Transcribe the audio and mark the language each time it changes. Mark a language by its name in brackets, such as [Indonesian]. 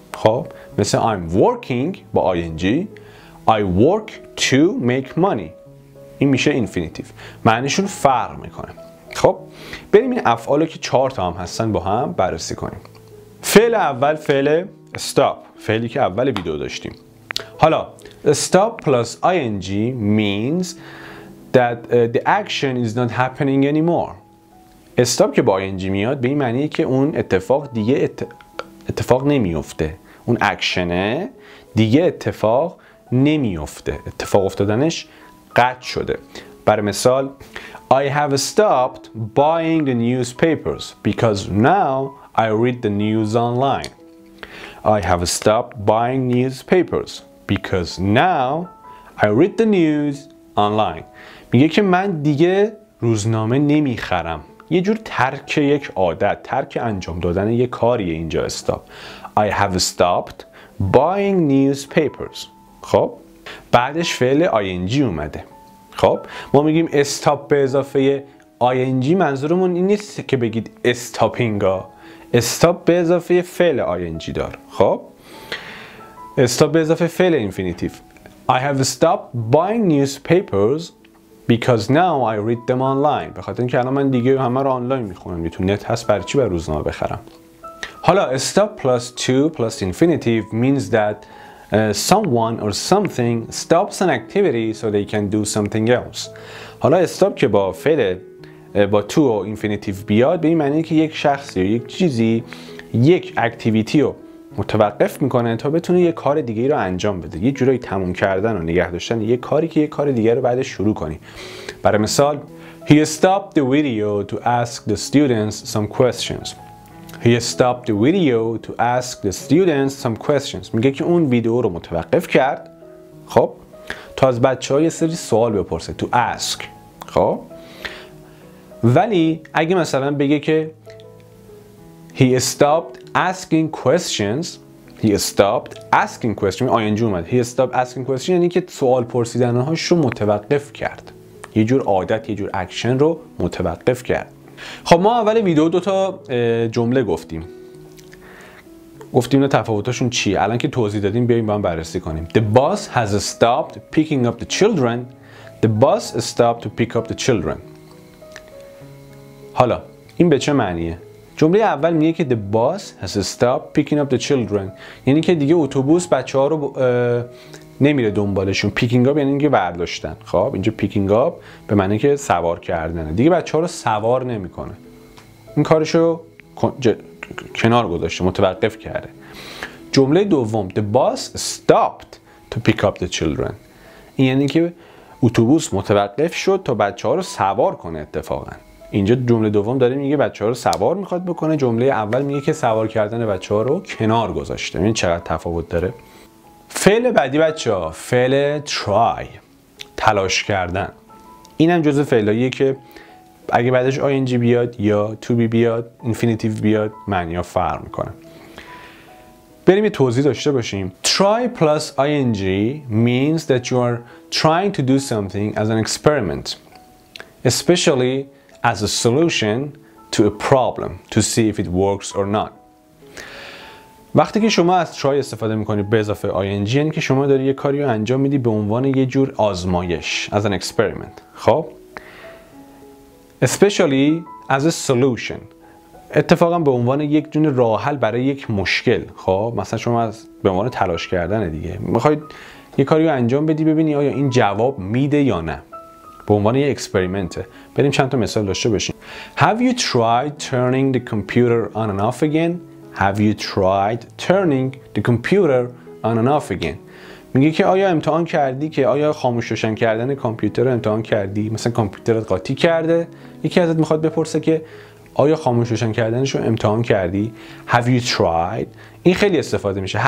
[Persian] خب مثل [English] I'm working [Persian] با ing، [English] I work to make money، [Persian] این میشه infinitive، معنیشون فرق میکنه. خب بریم این افعالو که 4 تا هم هستن با هم بررسی کنیم. فعل اول فعل stop، فعلی که اول ویدیو داشتیم. حالا [English] stop plus ing means that the action is not happening anymore. [Persian] Stop که با ing میاد به این معنیه که اون اتفاق دیگه اتفاق نمیفته. اون اکشنه دیگه اتفاق نمیفته. اتفاق افتادنش قطع شده. برای مثال [English] I have stopped buying the newspapers because now I read the news online. I have stopped buying newspapers because now I read the news online. [Persian] میگه که من دیگه روزنامه نمیخرم. یه جور ترک یک عادت، ترک انجام دادن یک کاریه اینجا استاپ. [English] I have stopped buying newspapers. [Persian] خب بعدش فعل ing اومده. خب ما میگیم استاپ به اضافه ing، منظورمون این نیست که بگید استاپینگا. استاپ به اضافه فعل ing دار. خب استاپ به اضافه فعل اینفینیتیف. [English] I have stopped buying newspapers because now I read them online. [Persian] به خاطر اینکه الان من دیگه همه رو آنلاین میخونم، یه تو نت هست، برای چی بر روزنامه بخرم. حالا [English] stop plus to plus infinitive means that someone or something stops an activity so they can do something else. [Persian] حالا stop که با فعل با to و infinitive بیاد به این معنی که یک شخصی یا یک چیزی یک اکتیویتی رو متوقف میکنه تا بتونه یه کار دیگه رو انجام بده، یه جورایی تموم کردن و نگه داشتن یه کاری که یه کار دیگه رو بعدش شروع کنی. برای مثال [English] He stopped the video to ask the students some questions. He stopped the video to ask the students some questions. [Persian] میگه که اون ویدیو رو متوقف کرد، خب تو از بچه های سری سوال بپرسه، to ask. خب ولی اگه مثلا بگه که [English] He stopped asking questions. He stopped asking questions. ING اومد. He stopped asking questions. [Persian] یعنی که سوال پرسیدنهاش رو متوقف کرد. یه جور عادت، یه جور اکشن رو متوقف کرد. خب ما اول ویدیو دوتا جمله گفتیم. گفتیم نه تفاوتاشون چیه. الان که توضیح دادیم بیاییم با هم بررسی کنیم. [English] The bus has stopped picking up the children. The bus stopped to pick up the children. [Persian] حالا این به چه معنیه؟ جمله اول میگه که [English] the bus has stopped picking up the children، [Persian] یعنی که دیگه اتوبوس بچه‌ها رو نمیره دنبالشون. picking up یعنی اینکه برداشتن. خب اینجا picking up به معنی که سوار کردنه، دیگه بچه‌ها رو سوار نمیکنه، این کارش رو کنار گذاشته، متوقف کرده. جمله دوم [English] the bus stopped to pick up the children، [Persian] این یعنی که اتوبوس متوقف شد تا بچه‌ها رو سوار کنه. اتفاقا اینجا جمله دوم داره میگه بچه ها رو سوار میخواد بکنه، جمله اول میگه که سوار کردن بچه ها رو کنار گذاشته. این چقدر تفاوت داره. فعل بعدی بچه ها فعل try، تلاش کردن. اینم جزء فعلاییه که اگه بعدش ing بیاد یا to be بیاد، infinitive بیاد، معنی ها فرق میکنه. بریم یه توضیح داشته باشیم. [English] Try plus ing means that you are trying to do something as an experiment, especially as a solution to a problem to see if it works or not. [Persian] وقتی که شما از try استفاده میکنی به اضافه ing، یعنی که شما داری یه کاری رو انجام میدی به عنوان یه جور آزمایش، [English] as an experiment. [Persian] خب؟ [English] Especially as a solution، [Persian] اتفاقا به عنوان یک جون راه حل برای یک مشکل. خب مثلا شما از به عنوان تلاش کردن دیگه میخواید یه کاری رو انجام بدی ببینی آیا این جواب میده یا نه، به عنوان یک اکسپریمنته. بریم چند تا مثال داشته باشیم. [English] Have you tried turning the computer on and off again? Have you tried turning the computer on and off again؟ [Persian] میگه که آیا امتحان کردی، که آیا خاموش روشن کردن کامپیوتر رو امتحان کردی؟ مثلا کامپیوترت قاطی کرده، یکی ازت میخواد بپرسه که آیا خاموش روشن کردنش رو امتحان کردی؟ [English] Have you tried؟ [Persian] این خیلی استفاده میشه.